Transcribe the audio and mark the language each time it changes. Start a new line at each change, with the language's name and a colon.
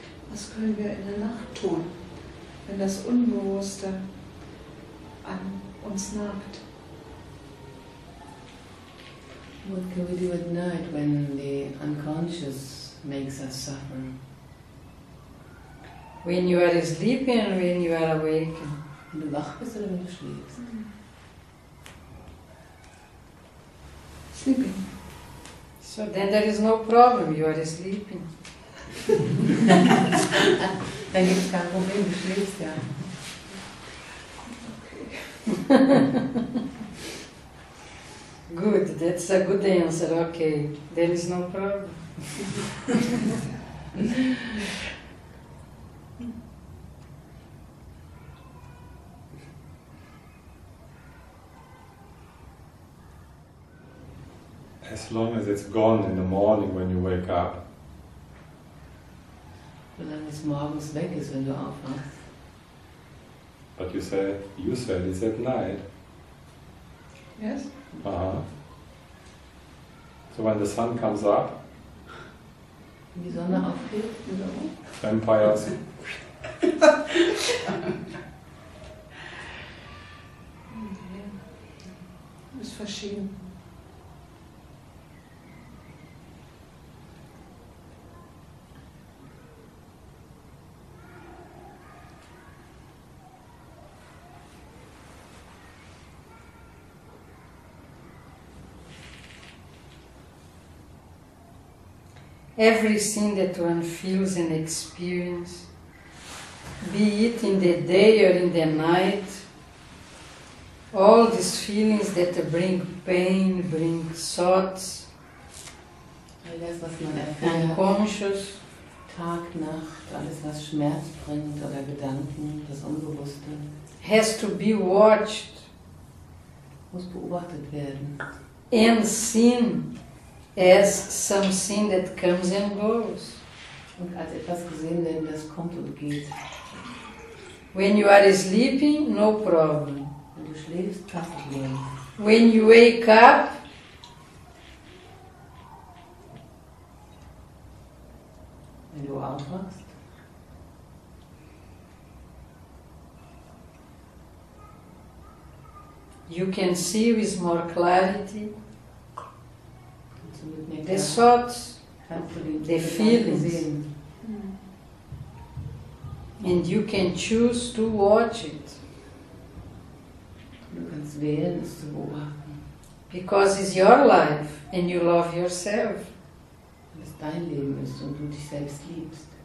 German: Was können wir in der Nacht tun, wenn das Unbewusste an uns nagt?
English: What can we do at night when the unconscious makes us suffer? When you are sleeping and when you are awake.
German: Wenn du wach bist oder wenn du schläfst?
English: Sleeping. So then there is no problem, you are sleeping.
German: Dann gibt es kein Problem, du schläfst ja.
English: Okay. Good, that's a good answer, okay. There is no problem. As long as it's gone in the morning when you wake up.
German: Solange es morgens weg ist, wenn du aufwachst.
English: But you said it's at night. Yes. So when the sun comes up.
German: Wenn die Sonne aufgeht, wieder um.
English: Vampires.
German: Ist verschieden.
English: Everything that one feels and experiences, be it in the day or in the night, all these feelings that bring pain, bring thoughts,
German: alles, was man
English: unconscious,
German: Tag, Nacht, alles, was Schmerz bringt oder Gedanken, das Unbewusste,
English: has to be watched,
German: muss beobachtet werden,
English: and seen. As something that comes and goes.
German: Und als etwas gesehen werden, das kommt und geht.
English: When you are sleeping, no problem.
German: Wenn du schläfst, kein Problem.
English: When you wake up,
German: wenn du aufwachst,
English: you can see with more clarity.
German: Mit
English: the thoughts, the feelings, and you can choose to watch it.
German: Du kannst wählen, es zu beobachten.
English: Because it's your life, and you love yourself.
German: Weil es dein Leben ist und du dich selbst liebst.